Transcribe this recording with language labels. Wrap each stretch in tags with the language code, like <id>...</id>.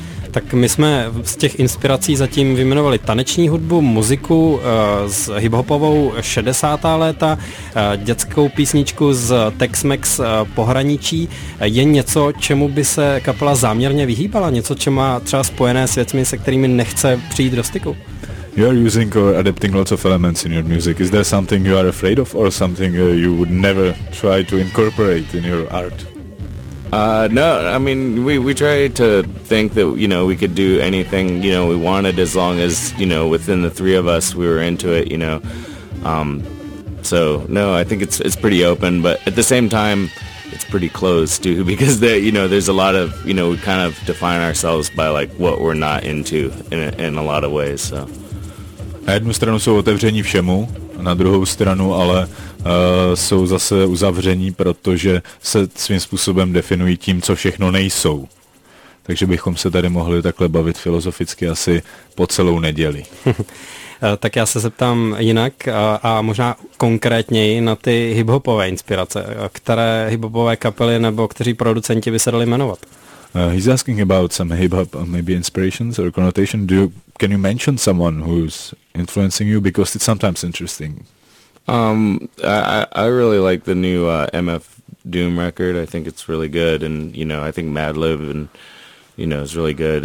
<cs>Tak my jsme z těch inspirací zatím vyjmenovali taneční hudbu, muziku z hiphopovou 60. léta, dětskou písničku z Tex-Mex pohraničí. Je něco, čemu by se kapela záměrně vyhýbala? Něco, co má třeba spojené s věcmi, se kterými nechce přijít do styku?</cs> <en>You are using or adapting lots of elements in your music. Is there something you are afraid of or something you would never try to incorporate in your art? No, I mean, we try to think that, you know, we could do anything, you know, we wanted, as long as, you know, within the three of us, we were into it, you know. So, no, I think it's pretty open, but at the same time, it's pretty closed, too, because, there's a lot of, you know, we kind of define ourselves by, like, what we're not into in a lot of ways, so.</en> <cs>Na jednu stranu jsou otevření všemu, na druhou stranu ale jsou zase uzavření, protože se svým způsobem definují tím, co všechno nejsou. Takže bychom se tady mohli takhle bavit filozoficky asi po celou neděli. Tak já se zeptám jinak a možná konkrétněji na ty hiphopové inspirace. Které hiphopové kapely nebo kteří producenti by se dali jmenovat?</cs> <en>He's asking about some hip-hop, maybe inspirations or connotation. Can you mention someone who's influencing you? Because it's sometimes interesting. I really like the new MF Doom record. I think it's really good. And, you know, I think Madlib, and, you know, is really good.</en>